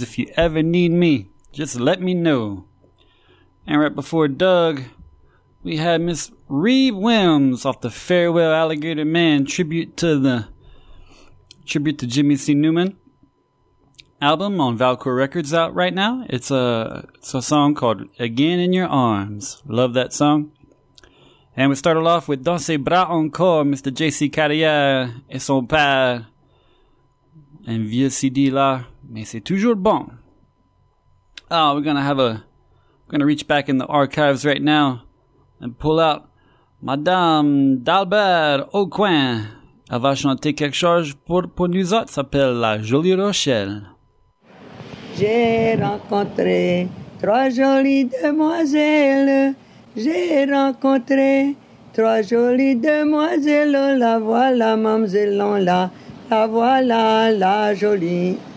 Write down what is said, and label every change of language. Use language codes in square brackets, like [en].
[en] If you ever need me, just let me know. And right before Doug, we had Miss Reeve Wilms off the Farewell Alligator Man tribute to Jimmy C. Newman. album on Valcour Records out right now. It's a song called Again in Your Arms. Love that song. And we started off with Danse Bras Encore, Mr. [fr] JC Carrière et son père. Un vieux CD là, mais c'est toujours bon. [en] Oh, we're gonna have a, we're gonna reach back in the archives right now and pull out Madame Dalbert Aucoin. [fr] Elle va chanter quelque chose pour nous autres, s'appelle La Jolie Rochelle. J'ai rencontré trois jolies demoiselles. J'ai rencontré trois jolies demoiselles. Oh, la voilà, mamzelle, oh, la voilà, la jolie.